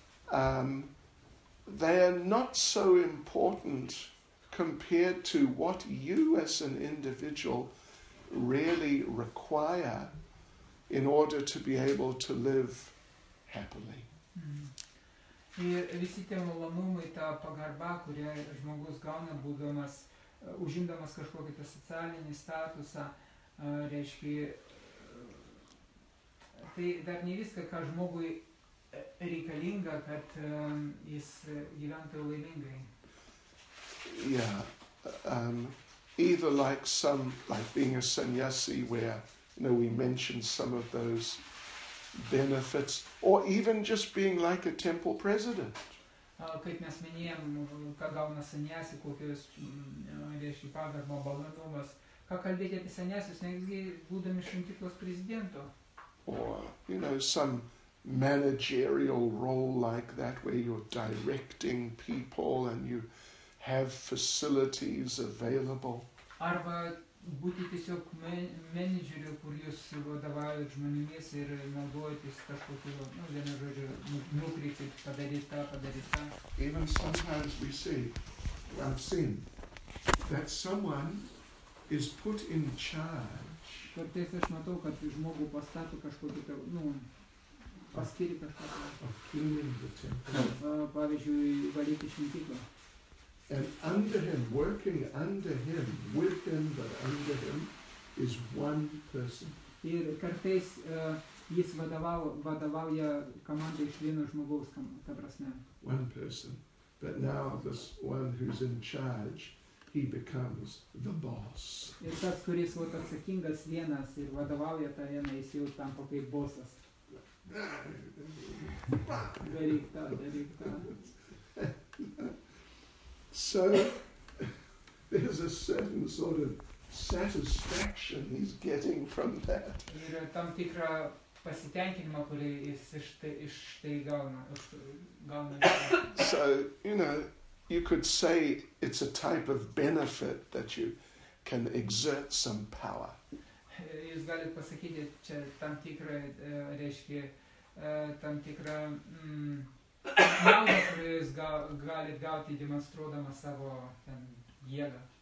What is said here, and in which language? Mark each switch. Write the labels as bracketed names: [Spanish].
[English] they are not so important compared to what you as an individual really require in order to be able to live happily. [Lithuanian] И visi tie malonumai, ta pagarba, kurią žmogus gauna, būdamas, užimdamas kažkokį tą socialinį statusą, reiškia, tai dar ne viską, ką žmogui reikalinga, kad jis gyventų laimingai. [English] Yeah, either like some, like being a sannyasi where, you know, we mentioned some of those benefits, or even just being like a temple president. [Lithuanian] Kaip mes minėjom, ką gauna sannyasi, kokios reiškia pagarbą, malonumas, ką kalbėti apie sannyasius, netgi būdami šventyklos prezidento. [English] Or, you know, some managerial role like that where you're directing people and you have facilities available. [Lithuanian] Arba būti tiesiog menedžeriu, kur jūs vadovaujat žmonėmis ir naudojatės kažkokiu, nu, vienu žodžiu, nukreipti, padaryt tą. [English] Even sometimes we see, I've seen, that someone is put in charge. [Lithuanian] Kartais aš matau, kad žmogų pastato kažkokį, nu, paskiri kažkokį. [English] Of killing the temple. [Lithuanian] Pavyzdžiui, valyti šventyklą. [English] And under him, working under him, with him, but under him, is one person. [Lithuanian] Ir kartais jis vadovauja komandai iš vieno žmogaus, ta prasme. [English] One person. But now this one who's in charge, he becomes the boss. [Lithuanian] Ir tas, kuris vat atsakingas vienas ir vadovauja tą vieną, jis jau tampa kaip bosas. Daryk tą. [English] So there's a certain sort of satisfaction he's getting from that. [Lithuanian] Yra tam tikra pasitenkinimo, kurį jis iš tai gauna. [English] So, you know, you could say it's a type of benefit that you can exert some power. [Lithuanian] Jūs galite pasakyti, čia tam tikra, reiškia, tam tikra nauda, kurį jūs galite gauti, demonstruodama savo ten jėgą.